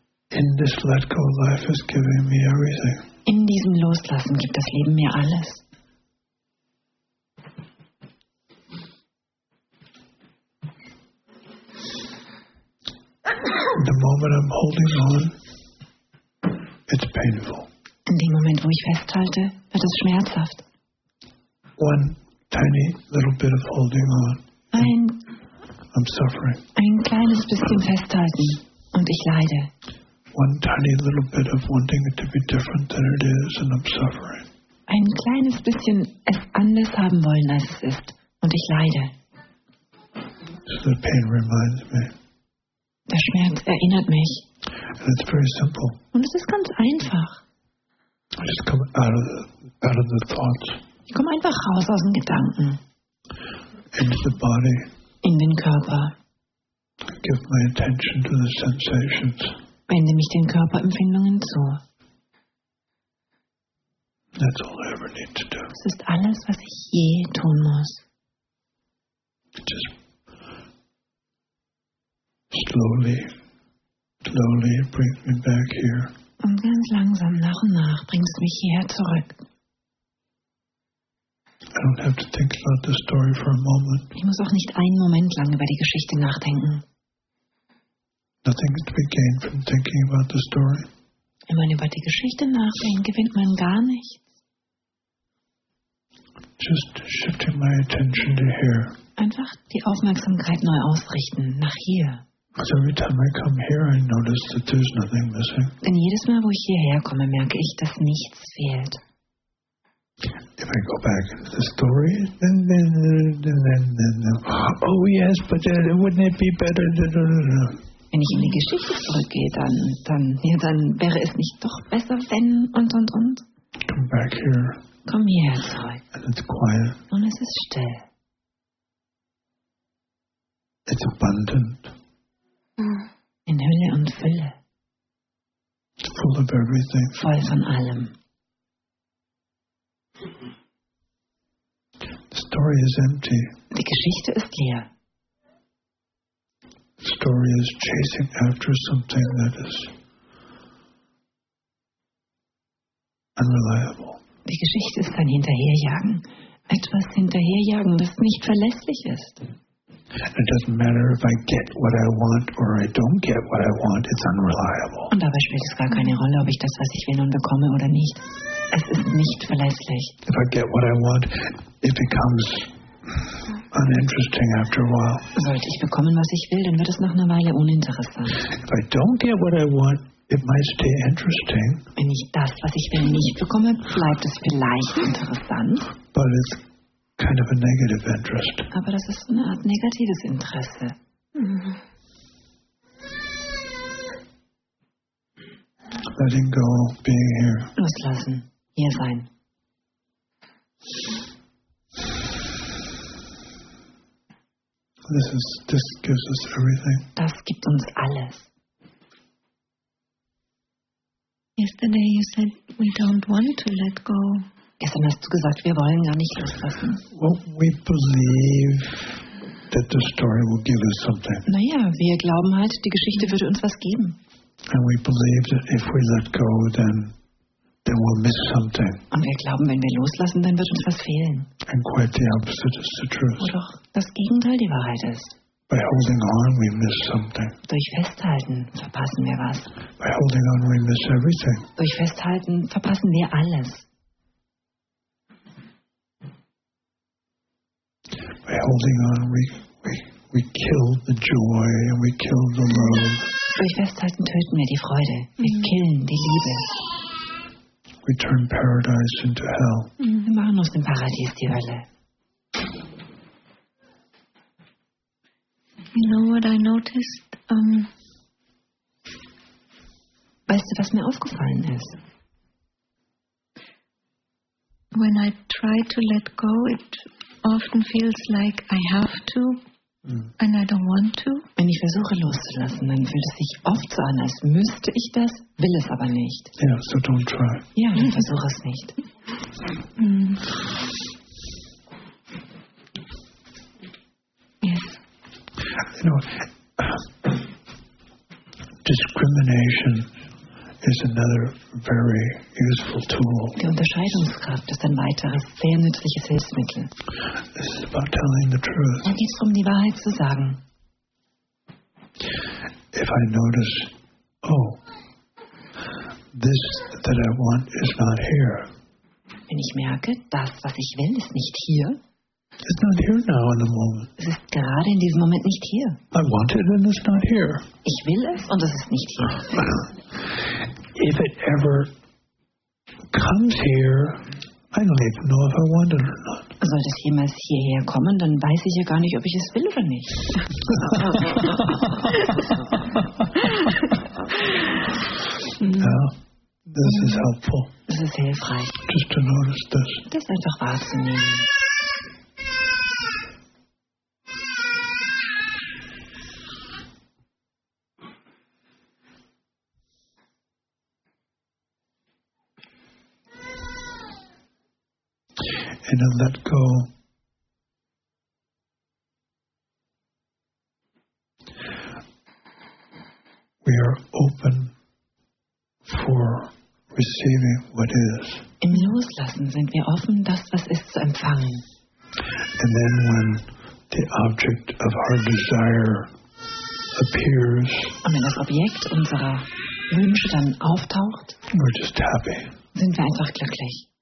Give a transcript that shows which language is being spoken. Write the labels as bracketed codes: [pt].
[en] In this let go life is giving me everything. [de] In diesem Loslassen gibt das Leben mir alles. [en] The moment I'm holding on, it's painful. [de] In dem Moment, wo ich festhalte, wird es schmerzhaft. [en] One tiny little bit of holding on. I'm suffering. [de] Ein kleines bisschen festhalten und ich leide. [en] One tiny little bit of wanting it to be different than it is, and I'm suffering. [de] Ein kleines bisschen es anders haben wollen als es ist, und ich leide. [en] So the pain reminds me. [de] Der Schmerz erinnert mich. [en] And it's very simple. [de] Und es ist ganz einfach. [en] I just come out of the thoughts. [de] Ich komme einfach raus aus den Gedanken. [en] Into the body. [de] In den Körper. [en] Give my attention to the sensations. [de] Wende mich den Körperempfindungen zu. [en] That's all I ever need to do. [de] Das ist alles, was ich je tun muss. [en] Just slowly bring me back here. [de] Und ganz langsam, nach und nach, bringst du mich hierher zurück. [en] I don't have to think about the story for a moment. [de] Ich muss auch nicht einen Moment lang über die Geschichte nachdenken. [en] Nothing to be gained from thinking about the story. [de] Wenn man über die Geschichte nachdenkt, gewinnt man gar nichts. [en] Just shifting my attention to here. [de] Einfach die Aufmerksamkeit neu ausrichten, nach hier. [en] Every time I come here, I notice that there's nothing missing. [de] Denn jedes Mal, wo ich hierher komme, merke ich, dass nichts fehlt. [en] If I go back into the story, then, oh yes, but wouldn't it be better? [de] Wenn ich in die Geschichte zurückgehe, dann wäre es nicht doch besser, wenn und. [en] Come back here. [de] Komm hierher zurück. [en] And it's quiet. [de] Und es ist still. [en] It's abundant. [de] In Hülle und Fülle. [en] Full of everything. [de] Voll von allem. [en] The story is empty. [de] Die Geschichte ist leer. [en] The story is chasing after something that is unreliable. [de] Die Geschichte ist ein Hinterherjagen. Etwas hinterherjagen, das nicht verlässlich ist. [en] It doesn't matter if I get what I want or I don't get what I want. It's unreliable. [de] Und dabei spielt es gar keine Rolle, ob ich das, was ich will, nun bekomme oder nicht. Es ist nicht verlässlich. [en] If I get what I want, it becomes uninteresting after a while. [de] Sollte ich bekommen, was ich will, dann wird es nach einer Weile uninteressant. [en] If I don't get what I want, it might stay interesting. [de] Wenn ich das, was ich will, nicht bekomme, bleibt es vielleicht interessant. [en] But it's kind of a negative interest. [de] Aber das ist so eine Art negatives Interesse. [en] Letting go, being here. [de] Loslassen, hier sein. [en] This gives us everything. [de] Das gibt uns alles. [en] Yesterday you said we don't want to let go. [de] Gestern hast du gesagt, wir wollen gar nicht loslassen. [en] Well, we believe that the story will give us something. [de] Naja, wir glauben halt, die Geschichte würde uns was geben. [en] And we believe that if we let go, then we'll miss something. [de] Und wir glauben, wenn wir loslassen, dann wird uns was fehlen. [en] And quite the opposite is the truth. [de] Wo doch das Gegenteil die Wahrheit ist. [en] By holding on, we miss something. [de] Durch Festhalten verpassen wir was. [en] By holding on, we miss everything. [de] Durch Festhalten verpassen wir alles. [en] By holding on, we kill the joy and we kill the love. [de] Durch Festhalten töten wir die Freude. Wir killen die Liebe. [en] We turn paradise into hell. [de] Wir machen aus dem Paradies die Hölle. [en] You know what I noticed? [de] Weißt du, was mir aufgefallen ist? [en] When I try to let go, it often feels like I have to and I don't want to. [de] Wenn ich versuche loszulassen, dann fühlt es sich oft so an, als müsste ich das, will es aber nicht. [en] Yeah, so don't try. [de] Ja, dann versuch es nicht. [en] Yes. You know, discrimination is another very useful tool. [de] Die Unterscheidungskraft ist ein weiteres sehr nützliches Hilfsmittel. [en] This is about telling the truth. [de] Da geht's darum, die Wahrheit zu sagen. [en] If I notice, oh, this that I want is not here. [de] Wenn ich merke, das, was ich will, ist nicht hier. [en] It's not here now in the moment. [de] Es ist gerade in diesem Moment nicht hier. [en] I want it and it's not here. [de] Ich will es und es ist nicht hier. [en] If it ever comes here, I don't even know if I want it or not. [de] Sollte es jemals hierher kommen, dann weiß ich ja gar nicht, ob ich es will oder nicht. Ja, das ist helpful. Das ist hilfreich. [en] Just to notice this. [de] Das einfach wahrzunehmen. [en] And I let go we are open for receiving what is. [de] Im Loslassen sind wir offen, das was ist zu empfangen. [en] And then when the object of our desire appears, [de] und wenn das Objekt unserer Wünsche dann auftaucht, [en] we're just happy. [de] Sind wir einfach glücklich.